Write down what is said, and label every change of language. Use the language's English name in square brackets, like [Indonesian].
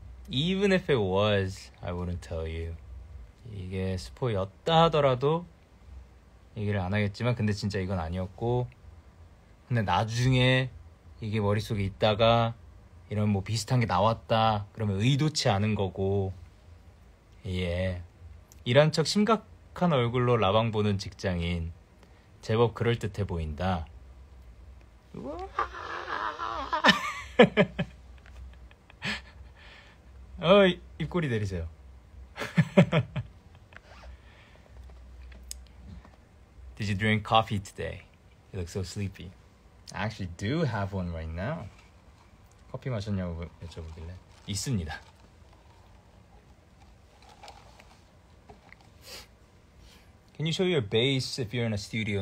[English] Even if it was, I wouldn't tell you. [Korean] 이게 스포였다 하더라도 얘기를 안 하겠지만, 근데 진짜 이건 아니었고, 근데 나중에 이게 머릿속에 있다가 이런 뭐 비슷한 게 나왔다 그러면 의도치 않은 거고, 예, 이런 척 심각한 얼굴로 라방 보는 직장인, 제법 그럴듯해 보인다. 어, 입꼬리 내리세요. [English] 'Did you drink coffee today? You look so sleepy. I actually do have one right now. [Korean] 커피 마셨냐고 여쭤보길래 있습니다. [English] Can you show your bass if you're in a studio?